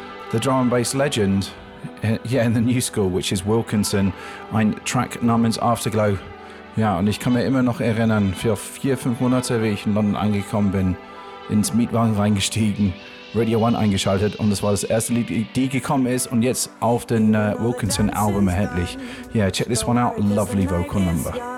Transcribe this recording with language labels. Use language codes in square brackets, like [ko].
[en] The drum and bass legend, yeah, in the new school, which is Wilkinson, [de] ein Track namens Afterglow. Ja, und ich kann mir immer noch erinnern, für 4-5 Monate, wie ich in London angekommen bin, ins Mietwagen reingestiegen, Radio 1 eingeschaltet, und das war das erste Lied, die gekommen ist und jetzt auf den Wilkinson Album erhältlich. [en] Yeah, check this one out, lovely vocal number.